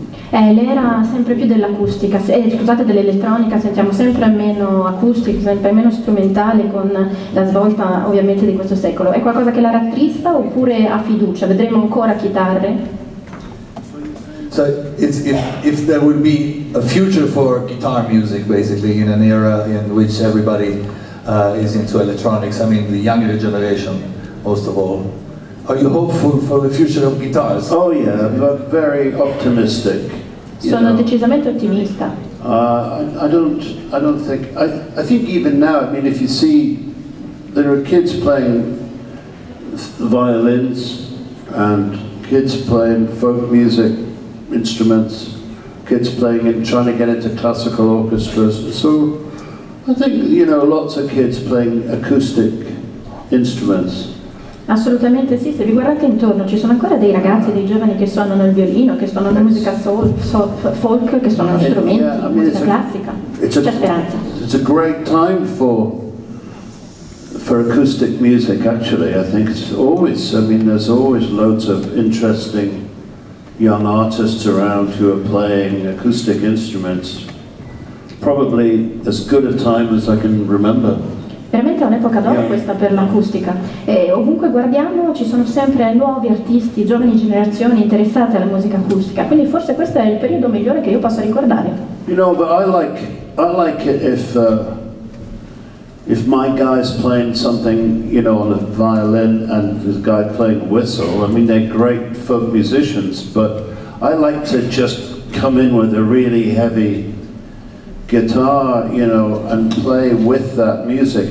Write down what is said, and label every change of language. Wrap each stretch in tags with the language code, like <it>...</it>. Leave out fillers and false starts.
<it>L'era sempre più dell'acustica, scusate, dell'elettronica, sentiamo sempre meno acustico, sempre meno strumentale con la svolta ovviamente di questo secolo. È qualcosa che la rattrista oppure ha fiducia? Vedremo ancora chitarre?</it> <en>So if there would be a future for guitar music basically in an era in which everybody is into electronics, I mean the younger generation most of all. Are you hopeful for the future of guitars? Oh yeah, but very optimistic.</en> <it>Sono decisamente ottimista.</it> <en>I think even now, I mean, if you see, there are kids playing violins and kids playing folk music instruments, kids playing and trying to get into classical orchestras. So I think, you know, lots of kids playing acoustic instruments.</en> <it>Assolutamente sì, se vi guardate intorno ci sono ancora dei ragazzi, dei giovani che suonano il violino, che suonano la musica folk, che suonano strumenti, musica classica. C'è speranza.</it> <en>It's a great time for acoustic music actually. I think it's always, I mean there's always loads of interesting young artists around who are playing acoustic instruments. Probably as good a time as I can remember.</en> <it>Veramente è un'epoca d'oro questa per l'acustica. E ovunque guardiamo ci sono sempre nuovi artisti, giovani generazioni interessate alla musica acustica. Quindi forse questo è il periodo migliore che io possa ricordare.</it> <en>You know, but I like it if my guy's playing something, you know, on a violin and this guy playing whistle. I mean, they're great folk musicians, but I like to just come in with a really heavy guitar, you know, and play with that music.</en>